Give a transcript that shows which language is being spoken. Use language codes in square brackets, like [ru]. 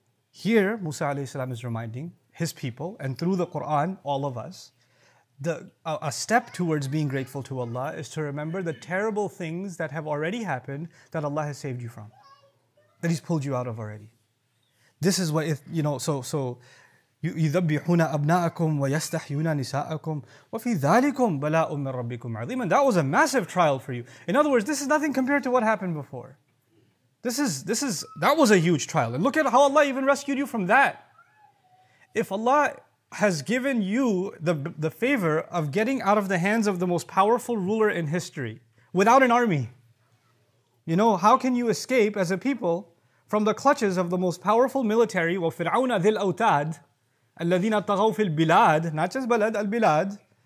[en] Here, Musa alayhi salam is reminding his people, and through the Quran, all of us, a step towards being grateful to Allah is to remember the terrible things that have already happened that Allah has saved you from, that He's pulled you out of already. This is what, if, you know, so [ar] يذبحون أبناءكم ويستحيون نساءكم وفي ذلكم بلاء من ربكم عظيم. [en] And that was a massive trial for you. In other words, this is nothing compared to what happened before. That was a huge trial. And look at how Allah even rescued you from that. If Allah has given you the favor of getting out of the hands of the most powerful ruler in history without an army, you know, how can you escape as a people from the clutches of the most powerful military, [ar] وَفِرْعَوْنَ ذِي الْأَوْتَادِ الَّذِينَ طَغَوْا فِي الْبِلَادِ, [en] not just بَلَدْ, الْبِلَادِ.